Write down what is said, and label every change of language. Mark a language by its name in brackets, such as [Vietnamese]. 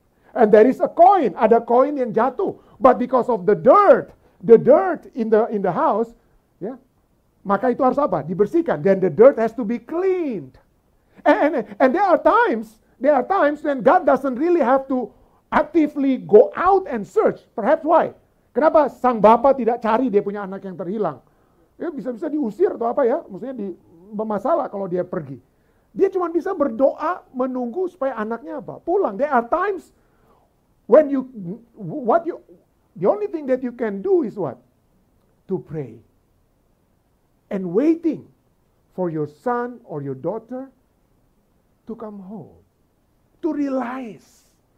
[English] And there is a coin. [Indonesian] Ada koin yang jatuh. [English] But because of the dirt in the house, yeah. [Indonesian] Maka itu harus apa? Dibersihkan. [English] Then the dirt has to be cleaned. And there are times when God doesn't really have to actively go out and search. Perhaps why? [Indonesian] Kenapa sang bapa tidak cari dia punya anak yang terhilang? Ya, bisa-bisa diusir atau apa ya. Maksudnya bermasalah kalau dia pergi. Dia cuma bisa berdoa menunggu supaya anaknya apa? Pulang. [English] There are times when the only thing that you can do is what? To pray. And waiting for your son or your daughter to come home, to realize.